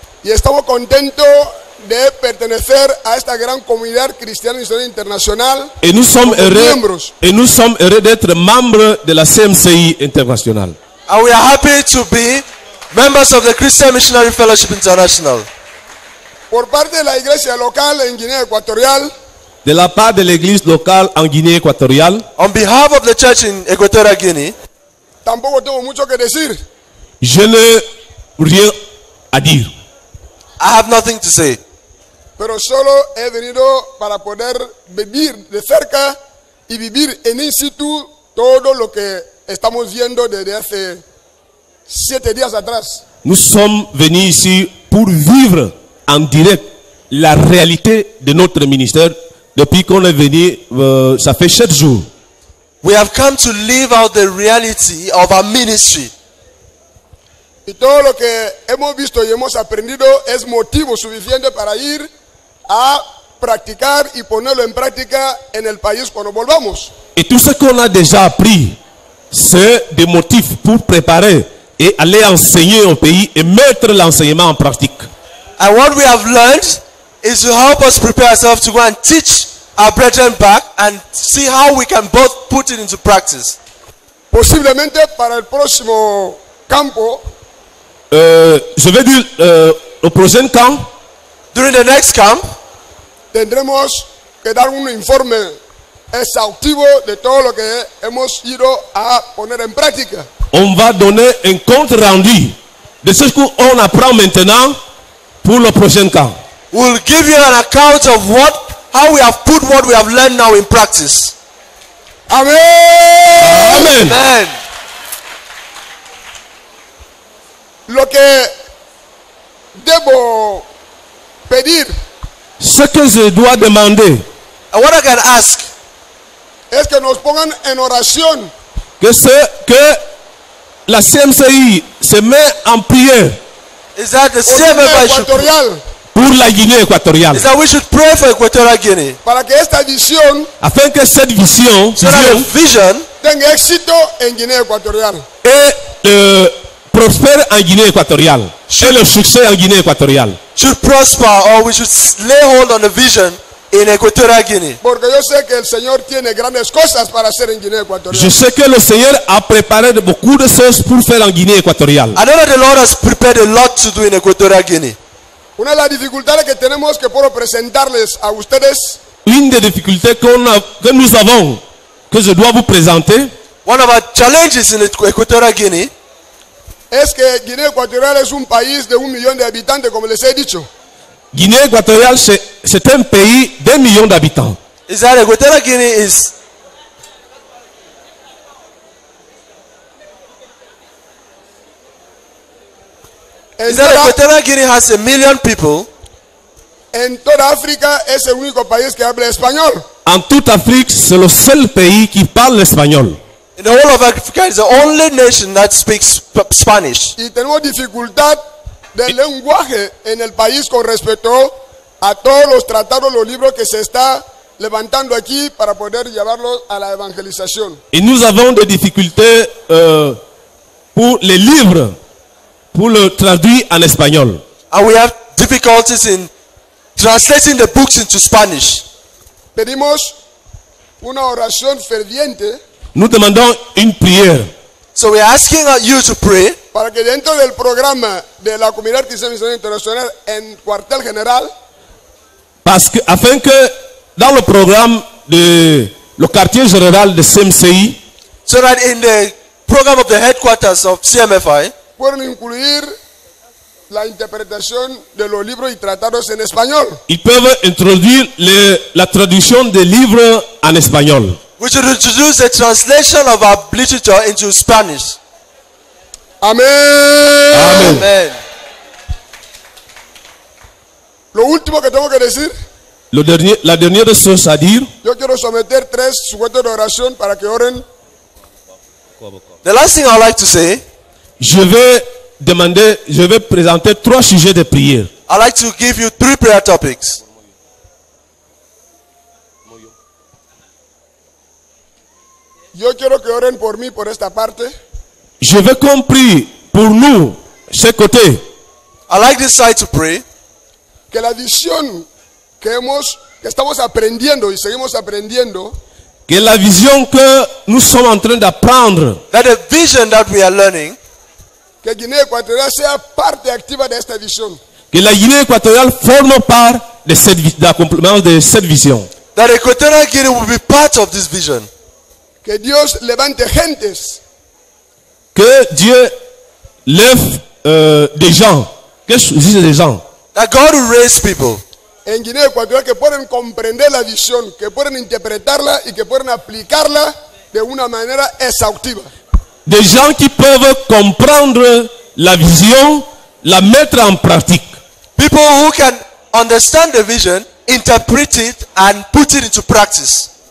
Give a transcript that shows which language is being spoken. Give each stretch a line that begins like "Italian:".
Spanish: Y estamos contentos de pertenecer a esta gran comunidad cristiana misionera internacional.
French: Et nous sommes heureux membres. Et nous sommes heureux d'être membres de la CMCI internationale.
English: And we are happy to be members of the Christian Missionary Fellowship International.
Spanish: Por parte de la iglesia local en Guinea Ecuatorial.
French: De la part de l'église locale en Guinée Équatoriale.
English: On behalf of the church in Equatorial Guinea.
Spanish: Tampoco tengo mucho que decir.
French: Je n'ai rien à dire.
English: I have nothing to say.
Spanish: Pero solo he venido para poder vivir de cerca y vivir en in situ todo lo que estamos viendo desde hace 7 días atrás.
French: Nous sommes venus ici pour vivre en direct la réalité de notre ministère depuis qu'on est venu ça fait 7 jours.
English: We have come to live out the reality of our ministry.
Spanish: Y todo lo que hemos visto y hemos aprendido es motivo suficiente para ir a practicar y ponerlo en práctica en el país cuando volvamos.
French: Et tout ce qu'on a déjà appris, c'est des motifs pour préparer et aller enseigner au pays et mettre l'enseignement en pratique.
English: And what we have learned is to help us prepare ourselves to go and teach our brethren back and see how we can both put it into practice.
Spanish: Posiblemente para el próximo campo.
French: Je vais dire au prochain camp.
English: During the next camp,
Spanish: tendremos que dar un informe exhaustivo de todo lo que hemos ido a poner en práctica.
French: On va donner un compte rendu de ce qu'on apprend maintenant pour le prochain camp.
English: We'll give you an account of what, how we have put what we have learned now in practice. Amen. Amen. Amen.
Spanish: Lo que debo pedir,
French: ce que je dois demander,
English: and what I can ask,
Spanish: es que nos pongan en oración,
French: que la CMCI se met en prière,
English: is that the CMCI Equatorial,
French: pour la Guinée équatoriale,
English: is that we should pray for Equatorial Guinea,
Spanish: para que esta visión,
French: afin que cette vision,
English: so that vision, vision
Spanish: tenga éxito en Guinée Équatoriale,
French: et prospère en Guinée équatoriale. Et le succès en Guinée équatoriale.
English: Should prosper or we should lay hold on the vision in Equatorial Guinea.
Spanish: Porque yo sé que el Señor tiene grandes cosas para hacer en Guinée équatoriale.
French: Je sais que le Seigneur a préparé beaucoup de choses pour faire en Guinée équatoriale.
English: I know that the Lord has prepared a lot to do in Equatorial Guinea.
Spanish: Una de las dificultades que tenemos que puedo presentarles a ustedes.
French: Une des difficultés que nous avons, que je dois vous présenter.
English: One of our challenges in Equatorial Guinea.
Spanish: Es que Guinea Ecuatorial es un país de 1 millón de habitantes, como les he dicho. Guinea Ecuatorial
French: c'est un pays
Spanish: de 1 millón de habitantes.
English: Is that Equatorial Guinea is? Is that Equatorial Guinea has 1 million people?
Spanish: En toda África es el único país que habla español.
French: En toute Afrique, c'est le seul pays qui parle l'espagnol.
English: In the whole of Africa, it's the only nation that speaks Spanish.
Spanish: Y tenemos dificultad de lenguaje en el país con respecto a todos los tratados, los libros que se está levantando aquí para poder llevarlos a la evangelización.
French: Y nous avons des difficultés pour les livres, pour le traduire en espagnol.
English: And we have difficulties in translating the books into Spanish.
Spanish: Pedimos una oración ferviente.
French: Nous demandons une prière.
English: So we are asking you to pray.
Spanish: Para que dentro del programa de la Comunidad Cristiana Misionera Internacional en Cuartel General.
French: Parce que, afin que dans le programme de le quartier général de CMCI.
English: So that in the program of the headquarters of CMFI.
Spanish: Pueden incluir la interpretación de los libros y tratados en español.
French: Ils peuvent introduire la
Spanish: traducción de libros en español.
English: We should introduce the translation of our literature into Spanish. Amen. Amen. Amen.
Spanish: Lo último que tengo que decir.
French: La dernière chose à dire.
Spanish: Yo quiero someter tres sujetos de oración para que oren.
English: The last thing I'd like to say.
French: Je vais présenter trois sujets de prière.
English: I'd like to give you three prayer topics.
Spanish: Yo quiero que oren por mí por esta parte.
French: Je veux qu'on prie pour nous, ce côté.
English: I like this side to pray.
Spanish: Que la visión que estamos aprendiendo y seguimos aprendiendo.
French: Que la visión que nous sommes en train d'apprendre.
English: That the vision that we are learning.
Spanish: Que Guinea Ecuatorial sea parte activa de esta visión.
French: Que la Guinea Ecuatorial forme part de cette vision.
English: That Equatorial Guinea will be part of this vision.
Spanish: Que Dios levante gentes.
French: Que Dieu lève des gens. Que choisisse des gens.
English: That God will raise people.
Spanish: En Guinea Ecuatorial que pueden comprender la visión, que pueden interpretarla y que pueden aplicarla de una manera exhaustiva.
French: Des gens qui peuvent comprendre la vision, la mettre en pratique.
English: People who can understand the vision, interpret it and put it into practice.